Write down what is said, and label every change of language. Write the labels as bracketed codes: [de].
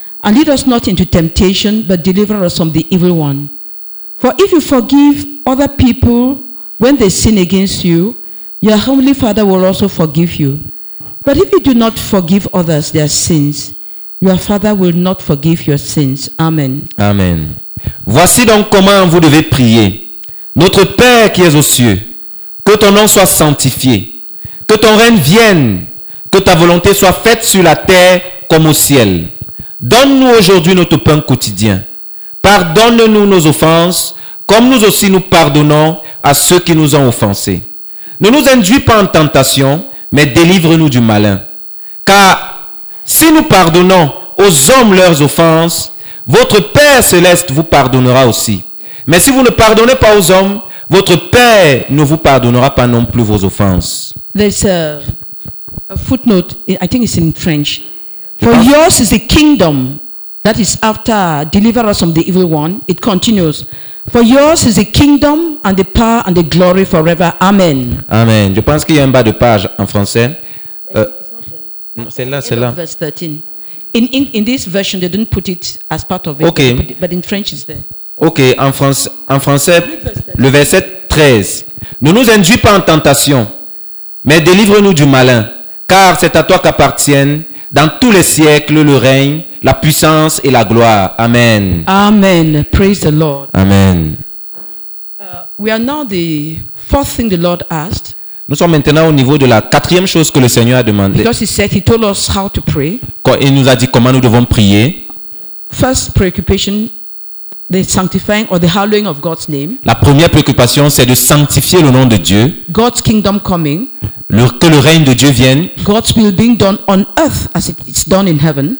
[en] And lead us not into temptation, but deliver us from the evil one. For if you forgive other people when they sin against you, your heavenly Father will also forgive you. But if you do not forgive others their sins, your Father will not forgive your sins. Amen. [fr] Amen. Voici donc comment vous devez prier. Notre Père qui es aux cieux, que ton nom soit sanctifié, que ton règne vienne, que ta volonté soit faite sur la terre comme au ciel. Donne-nous aujourd'hui notre pain quotidien. Pardonne-nous nos offenses, comme nous aussi nous pardonnons à ceux qui nous ont offensés. Ne nous induis pas en tentation, mais délivre-nous du malin. Car si nous pardonnons aux hommes leurs offenses, votre Père céleste vous pardonnera aussi. Mais si vous ne pardonnez pas aux hommes, votre Père ne vous pardonnera pas non plus vos offenses. [en] There's a footnote, I think it's in French. For yours is the kingdom, that is after deliver us from the evil one. It continues. For yours is the kingdom and the power and the glory forever. Amen. Amen. [fr] Je pense qu'il y a un bas de page en français. C'est là. [en] Verse 13. In this version, they didn't put it as part of it. Okay. But in French, it's there. [fr] Ok, en français, le verset 13. Ne nous induis pas en tentation, mais délivre-nous du malin, car c'est à toi qu'appartiennent dans tous les siècles le règne, la puissance et la gloire. Amen. [en] Amen. Praise the Lord. Amen. We are now the fourth thing the Lord asked. [fr] Nous sommes maintenant au niveau de la quatrième chose que le Seigneur a demandé. [en] Because he said he told us how to pray. [fr] Il nous a dit comment nous devons prier. [en] First preoccupation. The sanctifying or the hallowing of God's name. [fr] La première préoccupation, c'est de sanctifier le nom de Dieu. [en] God's kingdom coming. [fr] Que le règne de Dieu vienne. [en] God's will being done on earth as it's done in heaven.